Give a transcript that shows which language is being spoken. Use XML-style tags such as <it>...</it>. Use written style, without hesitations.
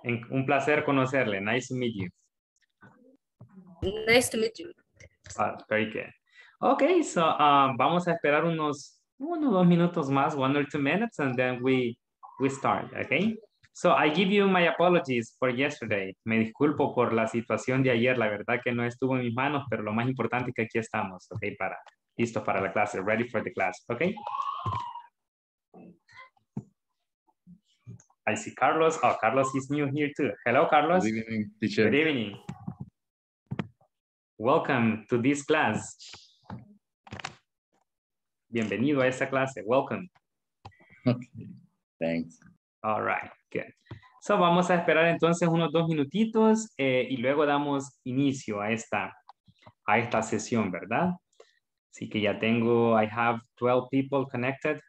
<es>Un placer conocerle.</es> <en>Nice to meet you. Nice to meet you. Oh, very good. Okay, so</en> <es>vamos a esperar unos uno, dos minutos más,</es> <en>1 or 2 minutes, and then we start, okay? So I give you my apologies for yesterday.</en> <es>Me disculpo por la situación de ayer. La verdad que no estuvo en mis manos, pero lo más importante es que aquí estamos, okay? Listo para la clase,</es> <en>ready for the class, okay? I see Carlos. Oh, Carlos is new here too. Hello, Carlos. Good evening, teacher. Good evening. Welcome to this class.</en> <es>Bienvenido a esta clase.</es> <en>Welcome. Okay. Thanks. All right. Good.</en> <es>So vamos a esperar entonces unos dos minutitos y luego damos inicio a esta sesión, ¿verdad? Así que ya tengo,</es> <en>I have 12 people connected.</en>